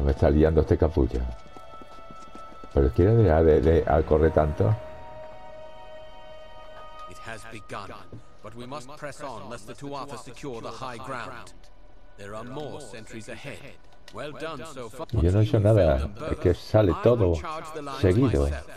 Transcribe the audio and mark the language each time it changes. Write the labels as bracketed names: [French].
[Spanish] Liando este capullo, pero quiere dejar de correr tanto. [English] It has begun, but we must press on lest the Tuatha secure the high ground. There are more sentries ahead. Well done so far. [Spanish] Yo no he hecho nada, es que sale todo seguido.